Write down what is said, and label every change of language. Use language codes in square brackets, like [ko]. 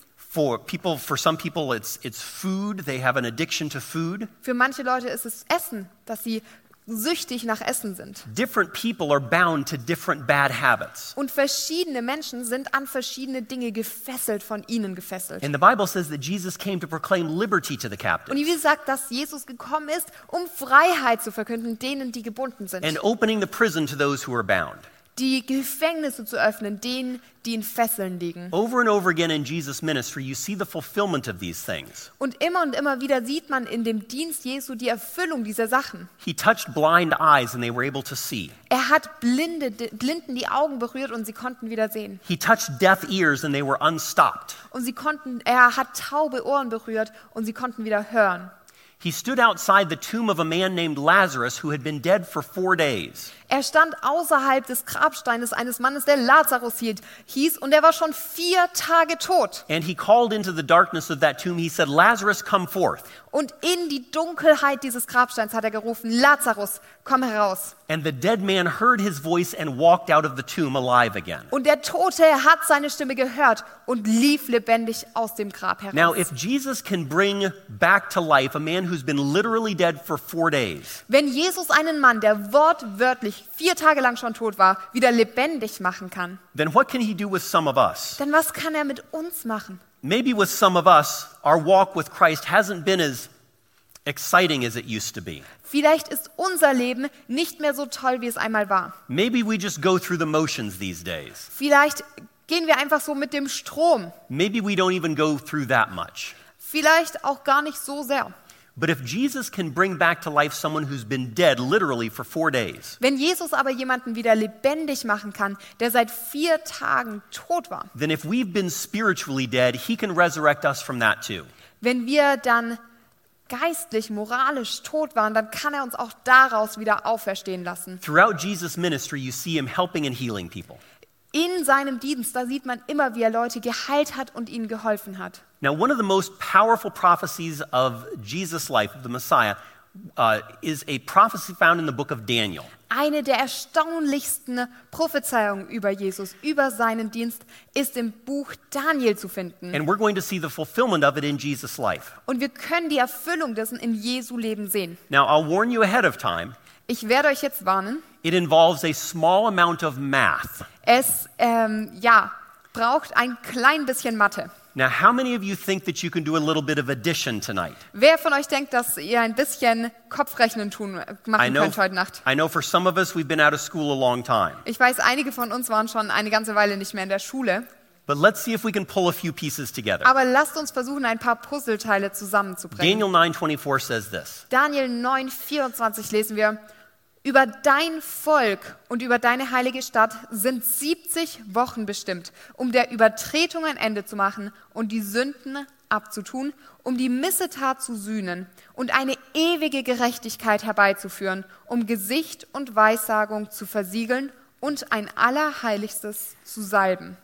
[en] For some people it's food, they have an addiction to food. [de] Für manche Leute ist es Essen, dass sie süchtig nach Essen sind. [en] Different people are bound to different bad habits. [de] Und verschiedene Menschen sind an verschiedene Dinge gefesselt, von ihnen gefesselt. [en] And the Bible says that Jesus came to proclaim liberty to the captives. [de] Und die Bibel sagt, dass Jesus gekommen ist, um Freiheit zu verkünden denen, die gebunden sind. [en] And opening the prison to those who are bound. [de] Die Gefängnisse zu öffnen denen, die in Fesseln liegen. [en] Over and over again in Jesus' ministry, you see the fulfillment of these things. [de] Und immer wieder sieht man in dem Dienst Jesu die Erfüllung dieser Sachen. [en] He touched blind eyes and they were able to see. [de] Er hat Blinden die Augen berührt und sie konnten wieder sehen. [en] He touched deaf ears and they were unstopped. [de] Und er hat taube Ohren berührt und sie konnten wieder hören. [en] He stood outside the tomb of a man named Lazarus who had been dead for 4 days. [de] Er stand außerhalb des Grabsteines eines Mannes, der Lazarus hieß, und er war schon 4 Tage tot. [en] And he called into the darkness of that tomb. He said, "Lazarus, come forth." [de] Und in die Dunkelheit dieses Grabsteins hat er gerufen, "Lazarus, komm heraus." [en] And the dead man heard his voice and walked out of the tomb alive again. [de] Und der Tote hat seine Stimme gehört und lief lebendig aus dem Grab heraus. [en] Now, if Jesus can bring back to life a man who's been literally dead for 4 days. [de] Wenn Jesus einen Mann, der wortwörtlich 4 Tage lang schon tot war, wieder lebendig machen kann. [en] Then what can he do with some of us? [de] Dann was kann er mit uns machen? [en] Maybe with some of us, our walk with Christ hasn't been as exciting as it used to be. [de] Vielleicht ist unser Leben nicht mehr so toll, wie es einmal war. [en] Maybe we just go through the motions these days. [de] Vielleicht gehen wir einfach so mit dem Strom. [en] Maybe we don't even go through that much. [de] Vielleicht auch gar nicht so sehr. [en] But if Jesus can bring back to life someone who's been dead literally for 4 days. [de] Wenn Jesus aber jemanden wieder lebendig machen kann, der seit 4 Tagen tot war. [en] Then if we've been spiritually dead, he can resurrect us from that too. [de] Wenn wir dann geistlich, moralisch tot waren, dann kann er uns auch daraus wieder auferstehen lassen. [en] Throughout Jesus' ministry, you see him helping and healing people. [de] In seinem Dienst, da sieht man immer, wie er Leute geheilt hat und ihnen geholfen hat. [en] Now, one of the most powerful prophecies of Jesus' life, of the Messiah, is a prophecy found in the book of Daniel. [de] Eine der erstaunlichsten Prophezeiungen über Jesus, über seinen Dienst, ist im Buch Daniel zu finden. [en] And we're going to see the fulfillment of it in Jesus' life. [de] Und wir können die Erfüllung dessen in Jesu Leben sehen. [en] Now, I'll warn you ahead of time. [de] Ich werde euch jetzt warnen. [en] It involves a small amount of math. [de] Es braucht ein klein bisschen Mathe. [en] Now, how many of you think that you can do a little bit of addition tonight? [de] Wer von euch denkt, dass ihr ein bisschen Kopfrechnen machen könnt heute Nacht? [en] I know for some of us, we've been out of school a long time. [de] Ich weiß, einige von uns waren schon eine ganze Weile nicht mehr in der Schule. [en] But let's see if we can pull a few pieces together. [de] Aber lasst uns versuchen, ein paar Puzzleteile zusammenzubringen. [en] Daniel 9:24 says this. [de] Daniel 9:24 lesen wir. Über dein Volk und über deine heilige Stadt sind 70 Wochen bestimmt, um der Übertretung ein Ende zu machen und die Sünden abzutun, um die Missetat zu sühnen und eine ewige Gerechtigkeit herbeizuführen, um Gesicht und Weissagung zu versiegeln und ein Allerheiligstes zu salben.